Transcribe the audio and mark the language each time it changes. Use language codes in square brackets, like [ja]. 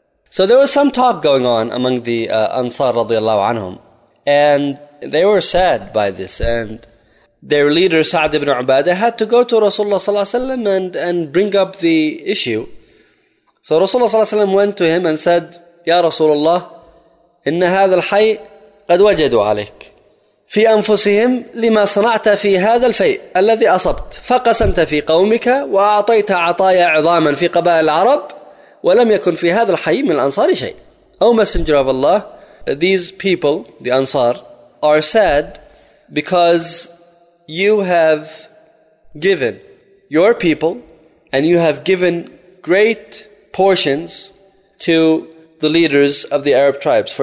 [en] So there was some talk going on among the Ansar radiallahu anhum, and they were sad by this, and their leader Sa'd ibn Ubadah had to go to Rasulullah ﷺ and bring up the issue. So Rasulullah ﷺ went to him and said, [ar] Ya Rasulullah, inna hadha al-hay qad wajadu alayk. في أنفسهم لما صنعت في هذا الفيء الذي أصبت فقسمت في قومك وأعطيت عطايا عظاما في قبائل العرب ولم يكن في هذا الحي من الأنصار شيء. [en] Oh Messenger of Allah, these people, the Ansar, are sad because you have given your people and you have given great portions to the leaders of the Arab tribes.